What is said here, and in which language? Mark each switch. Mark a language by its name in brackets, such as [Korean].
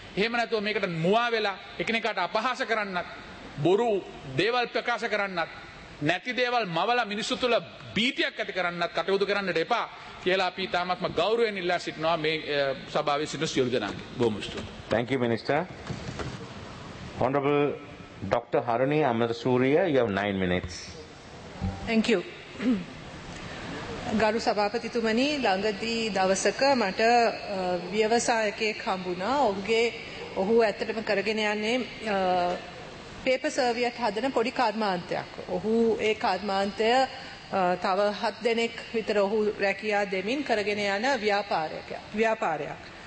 [Sinhala] එහෙම නැතුව මේකට මුවා වෙලා එකිනෙකාට අපහාස කරන්නත්, බොරු දේවල් ප්‍රකාශ කරන්නත්, නැති දේවල් මවලා මිනිසු තුළ භීතියක් ඇති කරන්නත් කටයුතු කරන්නට එපා කියලා අපි තාමත්ම ගෞරවයෙන් ඉල්ලා සිටිනවා මේ සභාවේ සිටින සියලු දෙනාගේ. බොහොම ස්තුතියි. [English] Thank you, Minister. Honorable Dr. Haruni Amarasuriya, you have 9 minutes. Thank you. [Sinhala] ගරු සභාපතිතුමනි, ළඟදී දවසක මට ව්‍යවසායකයෙක් හම්බුණා. ඔහු ඇත්තටම කරගෙන යන්නේ පේපර් සර්වියට් හදන පොඩි කර්මාන්තයක්. ඔහු ඒ කර්මාන්තය තව 7 දෙනෙක් විතර ඔහු රැකියා දෙමින් කරගෙන යන ව්‍යාපාරයක්.